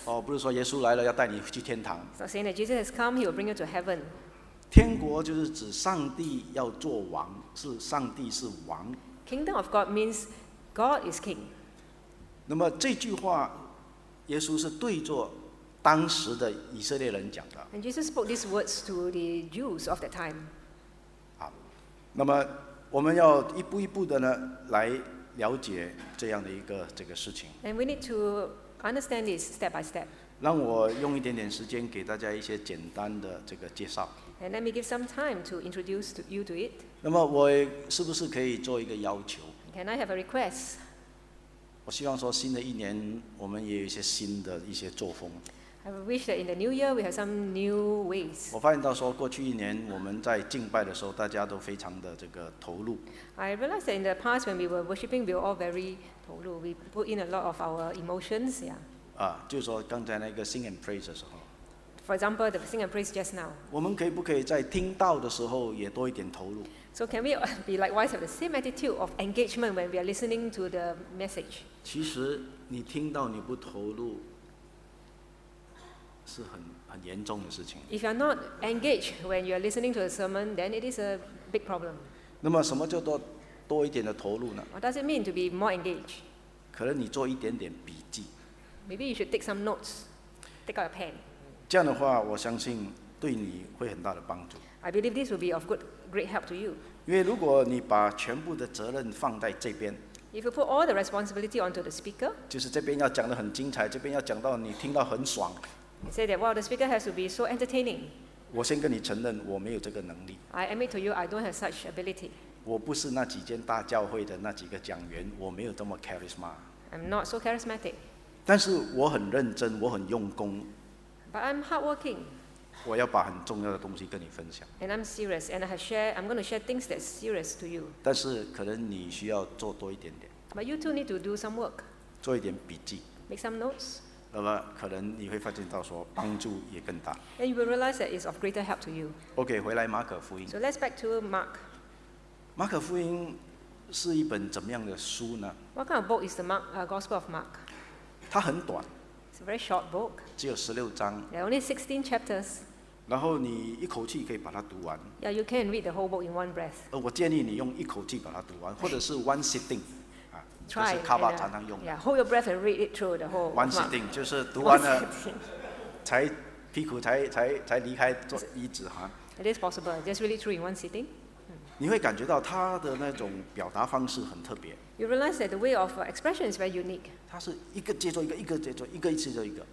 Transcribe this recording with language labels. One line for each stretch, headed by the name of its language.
Chinese: 哦，不是说耶稣来了要带你去天堂。
English: It's not saying that Jesus has come, he will bring you to heaven.
Chinese: 天国就是指上帝要做王，是上帝是王。
English: Kingdom of God means God is king.
Chinese: 那么这句话，耶稣是对着当时的以色列人讲的。
English: And Jesus spoke these words to the Jews of that time.
Chinese: 好，那么我们要一步一步的呢来了解这样的一个这个事情。
English: And we need to understand this step by step.
Chinese: 让我用一点点时间给大家一些简单的这个介绍。
English: And let me give some time to introduce you to it.
Chinese: 那么我是不是可以做一个要求？
English: Can I have a request?
Chinese: 我希望说新的一年我们也有一些新的一些作风。
English: I wish that in the new year we have some new ways.
Chinese: 我发现到说，过去一年我们在敬拜的时候，大家都非常的这个投入。
English: I realized that in the past when we were worshiping, we were all very 投入 We put in a lot of our emotions, yeah.
Chinese: 啊，就是说刚才那个
English: sing and praise
Chinese: 的时候。
English: For example, the sing and praise just now.
Chinese: 我们可以不可以在听到的时候也多一点投入
English: ？So can we be likewise have the same attitude of engagement when we are listening to the message?
Chinese: 其实你听到你不投入。是很严重的事情。
English: If you're not engaged when you're listening to a sermon, then it is a big problem.
Chinese: 那么什么叫做多一点的投入呢？
English: What does it mean to be more engaged?
Chinese: 可能你做一点点笔记。
English: Maybe you should take some notes, take out a pen.
Chinese: 这样的话，我相信对你会很大的帮助。
English: I believe this will be of great help to you.
Chinese: 因为如果你把全部的责任放在这边。
English: If you put all the responsibility onto the speaker,
Chinese: 就是这边要讲得很精彩，这边要讲到你听到很爽。
English: You say that, wow, the speaker has to be so entertaining.
Chinese: 我先跟你承认，我没有这个能力。
English: I admit to you, I don't have such ability.
Chinese: 我不是那几间大教会的那几个讲员，我没有这么 charisma.
English: I'm not so charismatic.
Chinese: 但是我很认真，我很用功。
English: But I'm hardworking.
Chinese: 我要把很重要的东西跟你分享。
English: And I'm serious, and I'm going to share things that's serious to you.
Chinese: 但是可能你需要做多一点点。
English: But you too need to do some work.
Chinese: 做一点笔记。
English: Make some notes.
Chinese: 那么可能你会发现到说帮助也更大。
English: And you will realize that it's of greater help to you.
Chinese: OK, 回来马可福音。
English: So let's back to Mark.
Chinese: 马可福音是一本怎么样的书呢？
English: What kind of book is the Mark, Gospel of Mark?
Chinese: 它很短。
English: It's a very short book.
Chinese: 只有16章。
English: Yeah, only 16 chapters.
Chinese: 然后你一口气可以把它读完。
English: Yeah, you can read the whole book in one breath.
Chinese: 我建议你用一口气把它读完，或者是
English: one sitting。 Try,
Chinese: 就是卡巴常常用的。
English: Yeah, hold your breath and read it through the whole. One sitting,
Chinese: 就是读完了，才屁股才离开坐椅子哈。
English: It is possible, just read it through in one sitting.
Chinese: 你会感觉到他的那种表达方式很特别。
English: You realize that the way of expression is very unique.
Chinese: 他是一个接着一个，一个接着一个，一次接着一个。